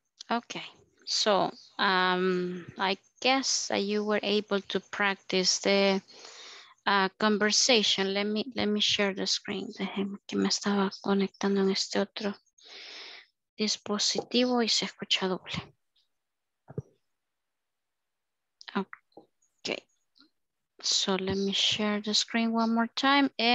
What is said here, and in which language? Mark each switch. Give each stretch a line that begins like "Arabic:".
English: Okay, so I guess that you were able to practice the conversation. Let me share the screen.
Spanish: Déjeme que me estaba conectando en este otro dispositivo y se escucha doble.
English: Okay, so let me share the screen one more time.